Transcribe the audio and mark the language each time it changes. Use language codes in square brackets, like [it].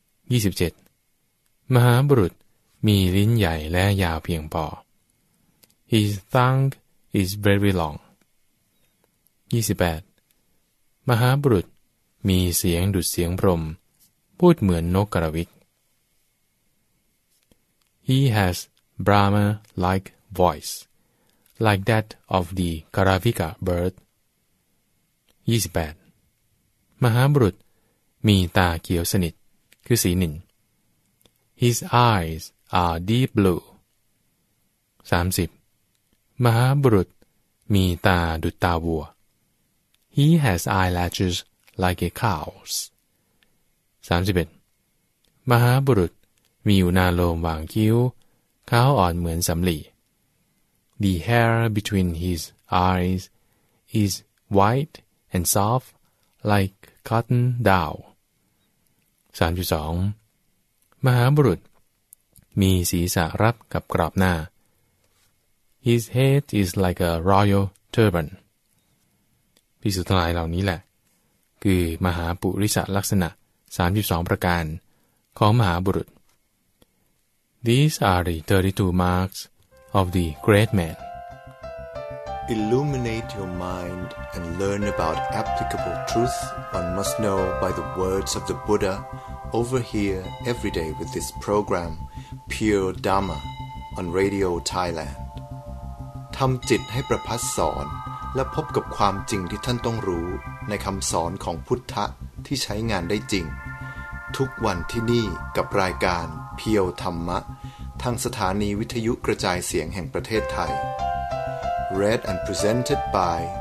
[th] 27. มหาบุรุษมีลิ้นใหญ่และยาวเพียงพ [en] อ His tongue is very long. 28. [th] มหาบุรุษมีเสียงดุจเสียงพรหมพูดเหมือนนกกระวิก [en] He has Brahma-like voice, like that of the Karavika bird. 28. [th] มหาบุรุษมีตาเขียวสนิทคือสีนิล [en] His eyes are deep blue. [th] 30. มหาบุรุษมีตาดุจตาวัว [en] He has eyelashes like a cow's. 31. [th] มหาบุรุษมีอยู่นาโลมวางคิ้วขาวอ่อนเหมือนสำลี [en] The hair between his eyes is white and soft like cotton down. 32. [th] มหาบุรุษมีศีรษะรับกับกรอบหน้า [en] His head is like a royal turban. [th] ภิกษุทั้งหลายเหล่านี้แหละคือมหาปุริสลักษณะ32ประการของมหาบุรุษ [en] These are the 32 marks of the great man. Illuminate your mind and learn about applicable truth one must know by the words of the Buddha over here every day with this program, Pure Dharma, on Radio Thailand. [th] ทำจิตให้ประพัสสอนและพบกับความจริงที่ท่านต้องรู้ในคำสอนของพุทธะที่ใช้งานได้จริงทุกวันที่นี่กับรายการเพียวธรรมะทางสถานีวิทยุกระจายเสียงแห่งประเทศไทย [en] Read and presented by